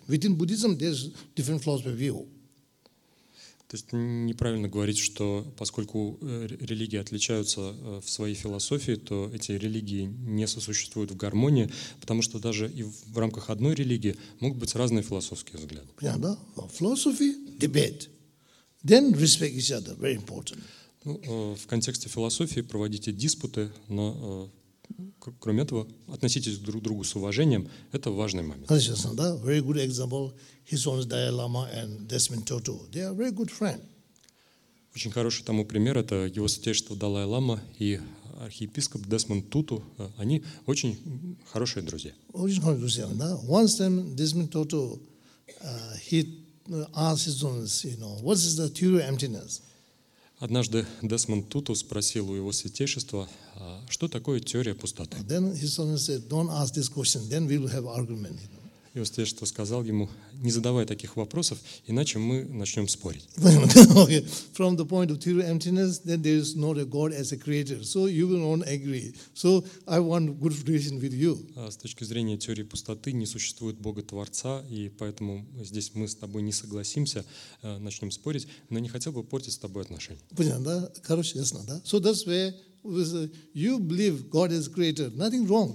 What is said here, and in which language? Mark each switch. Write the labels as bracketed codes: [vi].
[en] Within Buddhism, there's different philosophy view. [ru] То есть неправильно говорить, что поскольку религии отличаются в своей философии, то эти религии не сосуществуют в гармонии, потому что даже и в рамках одной религии могут быть разные философские взгляды. Понятно, да? [en] Philosophy – debate. Then respect each other, very important. [ru] Ну, в контексте философии проводите диспуты, но кроме этого относитесь друг к другу с уважением. Это важный момент. Конечно, да. [en] Very good example. His own Dalai Lama and Desmond Tutu. They are very good friends. [ru] Очень хороший тому пример — это его святейшество Далай Лама и архиепископ Десмонд Туту. Они очень хорошие друзья. Очень хорошие друзья, да. [en] Once Desmond Tutu, he asked his students, you know, what is the true emptiness? [ru] Однажды Десмонд Туту спросил у его святейшества, что такое теория пустоты. [en] Then his students said, don't ask this question, then we will have argument. You know? [ru] И его святейшество сказал ему, не задавай таких вопросов, иначе мы начнем спорить. [en] Okay. From the point of true emptiness, then there is not a God as a creator, so you will not agree. So I want good reason with you. [ru] С точки зрения теории пустоты не существует Бога-творца, и поэтому здесь мы с тобой не согласимся, начнем спорить, но не хотел бы портить с тобой отношения. Понятно, да? Короче, ясно, да? [en] So that's where you believe God as creator. Nothing wrong.